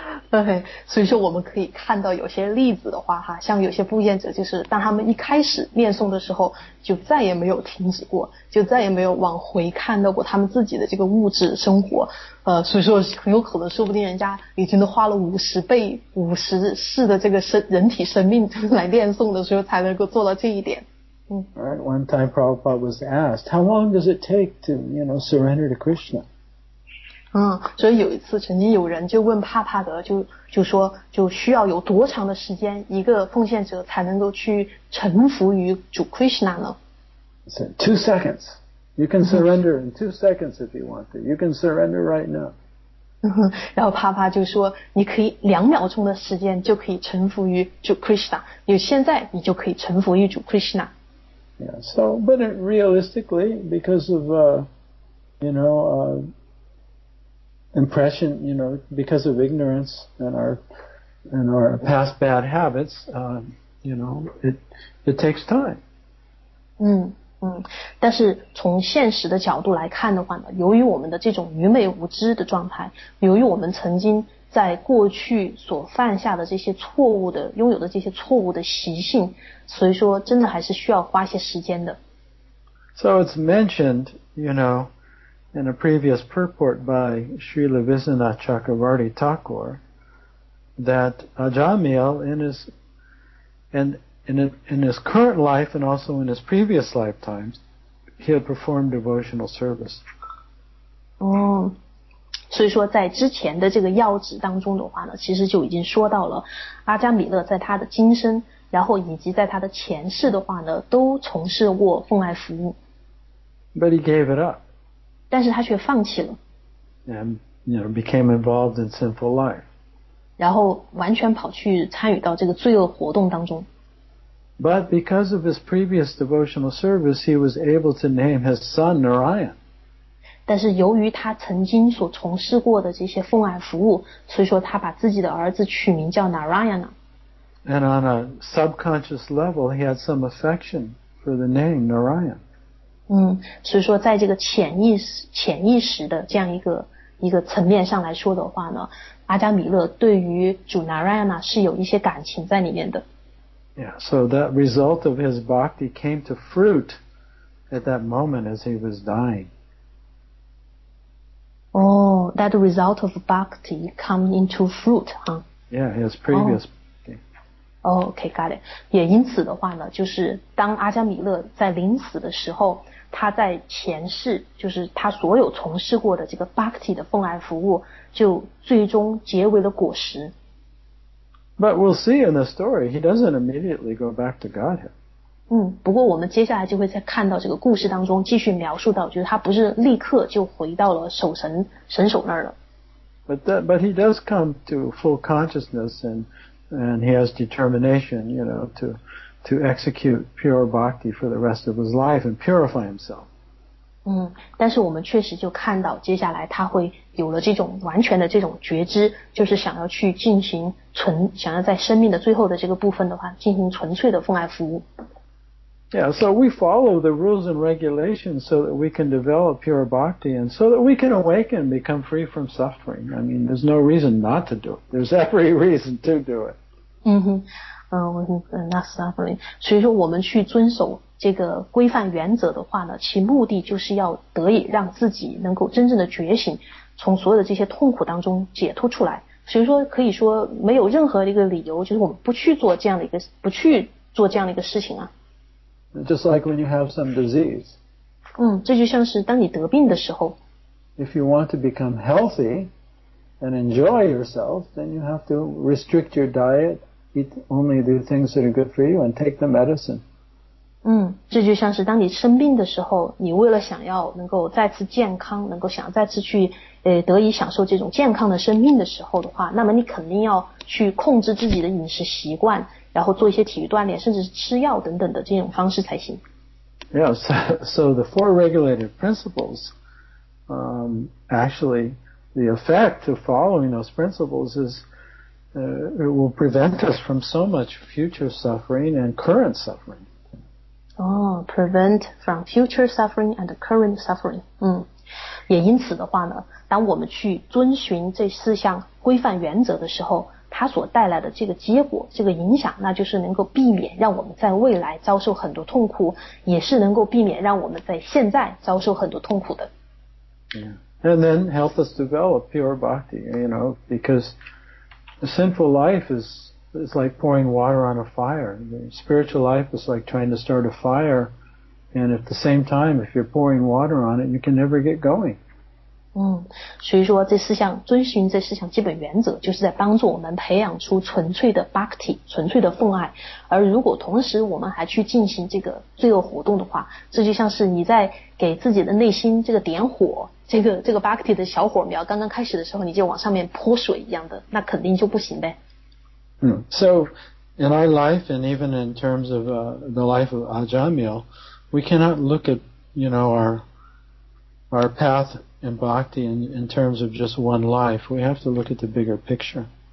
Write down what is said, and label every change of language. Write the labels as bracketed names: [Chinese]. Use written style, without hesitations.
[Chinese] OK， 所以说我们可以看到有些例子的话哈，像有些奉献者就是当他们一开始念诵的时候就再也没有停止过，就再也没有往回看到过他们自己的这个物质生活，所以说很有可能说不定人家已经都花了50世的这个人体生命来念诵的时候才能够做到这一点。 [English] Alright, one time Prabhupada was asked, how long does it take to, you know, surrender to Krishna? [Chinese] 所以有一次曾经有人就问帕帕德，就说就需要有多长的时间一个奉献者才能够去臣服于主 Krishna 呢？ [English] Two seconds. You can surrender in 2 seconds if you want to. You can surrender right now. [Chinese] 然后帕帕就说你可以2秒钟的时间就可以臣服于主 Krishna， 你现在你就可以臣服于主 Krishna。 [English] Yeah, so but realistically because of impression, you know, because of ignorance and our past bad habits, it takes time. [Chinese] 但是从现实的角度来看的话呢，由于我们的这种愚昧无知的状态，由于我们曾经在过去所犯下的这些错误的拥有的这些错误的习性，所以说真的还是需要花些时间的。 [English] So it's mentioned, you know,in a previous purport by Srila Viswanatha Chakravarti Thakur, that Ajamil in his current life and also in his previous lifetimes, he had performed devotional service. [Chinese] 所以说在之前的这个要旨当中的话呢，其实就已经说到了阿加米勒在他的今生然后以及在他的前世的话呢都从事过奉爱服务。 [English] But he gave it up. [Chinese] 但是他却放弃了。 [English] And, you know, became involved in sinful life. [Chinese] 然后完全跑去参与到这个罪恶活动当中。 [English] But because of his previous devotional service, he was able to name his son Narayan. [Chinese] 但是由于他曾经所从事过的这些奉爱服务，所以说他把自己的儿子取名叫 Narayan. [English] And on a subconscious level, he had some affection for the name Narayan. [Chinese] 嗯，所以说在这个潜意识的这样一个层面上来说的话呢，阿加米勒对于主 Narayan 是有一些感情在里面的。 [English] Yeah, so that result of his bhakti came to fruit at that moment as he was dying. Oh, that result of bhakti come into fruit, huh? Yeah, his previous bhakti. Oh, okay, got it. [Chinese] 也因此的话呢，就是当阿加米勒在临死的时候，他在前世，就是他所有从事过的这个 bhakti 的奉爱服务，就最终结为了果实。 [English] But we'll see in the story, he doesn't immediately go back to Godhead. [Chinese] 不过我们接下来就会再看到这个故事当中继续描述到，就是他不是立刻就回到了神手那儿了。 [English] But he does come to full consciousness and he has determination, you know, to execute pure bhakti for the rest of his life and purify himself. [Chinese] 但是我们确实就看到接下来他会有了这种完全的这种觉知，就是想要去进行想要在生命的最后的这个部分的话进行纯粹的奉爱服务。 [English] Yeah, so we follow the rules and regulations so that we can develop pure bhakti and so that we can awaken and become free from suffering. I mean, there's no reason not to do it. There's every reason to do it. [Chinese] 那 suffering. 所以说我们去遵守这个规范原则的话呢，其目的就是要得以让自己能够真正的觉醒，从所有的这些痛苦当中解脱出来。所以说可以说没有任何的一个理由，就是我们不去做这样的一个事情啊。 [English] Just like when you have some disease. [Chinese] 这就像是当你得病的时候。 [English] If you want to become healthy and enjoy yourself, then you have to restrict your diet, eat only the things that are good for you, and take the medicine. [Chinese] 这就像是当你生病的时候，你为了想要能够再次健康，能够想再次去得以享受这种健康的生命的时候的话，那么你肯定要去控制自己的饮食习惯，然后做一些体育锻炼，甚至是吃药等等的这种方式才行。 [English] Yeah, so the four regulated principles, actually, the effect of following those principles is it will prevent us from so much future suffering and current suffering. Prevent from future suffering and current suffering. [Chinese] 也因此的话呢，当我们去遵循这四项规范原则的时候，它所带来的这个结果，这个影响，那就是能够避免让我们在未来遭受很多痛苦，也是能够避免让我们在现在遭受很多痛苦的。 [English] Yeah. And then help us develop pure bhakti, you know, because the sinful life is. It's like pouring water on a fire. Spiritual life is like trying to start a fire, and at the same time, if you're pouring water on it, you can never get going. [Chinese] 所以说这四项遵循这四项基本原则，就是在帮助我们培养出纯粹的 bhakti, 纯粹的奉爱。而如果同时我们还去进行这个罪恶活动的话，这就像是你在给自己的内心这个点火，这个 bhakti 的小火苗刚刚开始的时候，你就往上面泼水一样的，那肯定就不行呗。 [English] So, in our life, and even in terms of the life of Ajamil, we cannot look at, you know, our path in bhakti in terms of just one life. We have to look at the bigger picture.